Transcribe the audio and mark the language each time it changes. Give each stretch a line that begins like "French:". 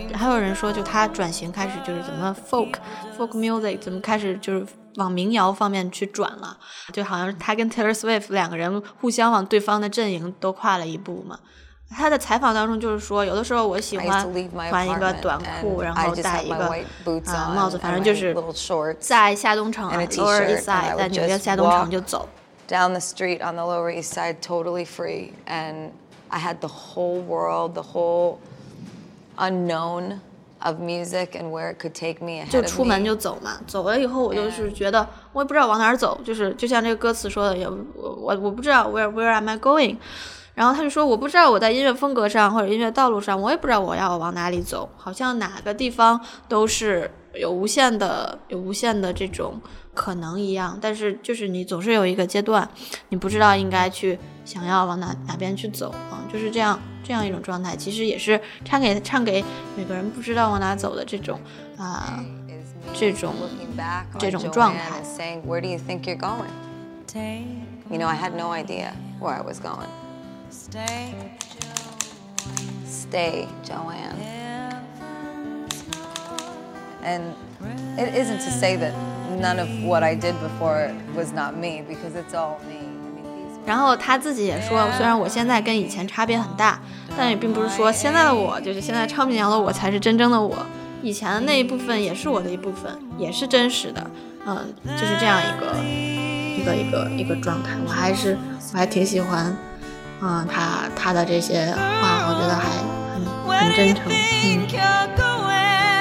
Chinese: 还有人说就他转型开始就是怎么 folk music 怎么开始就是往民谣方面去转了，就好像他跟 Taylor Swift 两个人互相往对方的阵营都跨了一步嘛。他的采访当中就是说，有的时候我喜欢穿一个短裤，然后戴一个帽子，反正就是在下东城Lower East Side， 在纽约下东城就走。
English: Down the street on the Lower East Side, totally free, and I had the whole world, the whole unknown of music and where it could take me.
Chinese: 就出门就走嘛，走了以后我就是觉得我也不知道往哪儿走，就是就像这个歌词说的，我不知道
English: where am I going。
Chinese: 然后他就说我不知道我在音乐风格上或者音乐道路上我也不知道我要往哪里走，好像哪个地方都是有无限的这种可能一样，但是就是你总是有一个阶段你不知道应该去想要往哪边去走就是这样一种状态，其实也是唱给每个人不知道往哪走的这种状态。
English: Where do you think you're going? You know, I had no idea where I was going. Stay, Joanne. And it isn't to say that none of what I did before was not me, because it's all me.
Chinese: 然后他自己也说，虽然我现在跟以前差别很大，但也并不是说现在的我就是现在唱民谣的我才是真正的我，以前的那一部分也是我的一部分，也是真实的。就是这样一个状态。我还挺喜欢。他的这些话我觉得还很真诚。